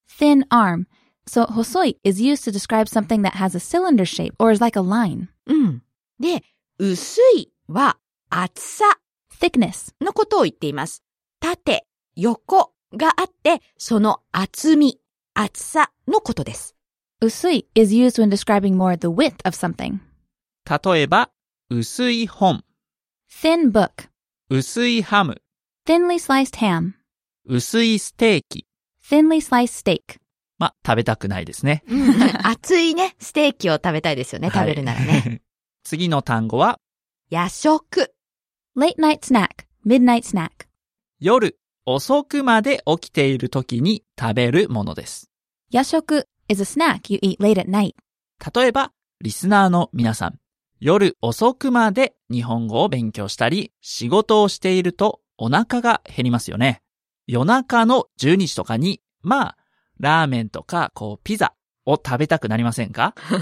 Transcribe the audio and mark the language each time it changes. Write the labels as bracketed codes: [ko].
[en] thin arm. So, 細い is used to describe something that has a cylinder shape or is like a line. [ja] で、薄いは厚さ [en] thickness [ja] のことを言っています。縦、横があって、その厚み、厚さのことです。 [en] 薄い is used when describing more the width of something. [ja] 例えば、薄い本。 [en] Thin book. [ja] 薄いハム。 [en] Thinly sliced ham. [ja] 薄いステーキ。 [en] Thinly sliced steak. [ja] まあ、食べたくないですね。熱いね、ステーキを食べたいですよね、食べるならね。はい、次の単語は、夜食。 [en] Late night snack. Midnight snack. [ja] 夜、遅くまで起きている時に食べるものです。 [en] 夜食 is a snack you eat late at night. [ja] 例えば、リスナーの皆さん、夜遅くまで日本語を勉強したり、仕事をしているとお腹が減りますよね。夜中の12時とかに、まあ、ラーメンとか、こう、ピザを食べたくなりませんか？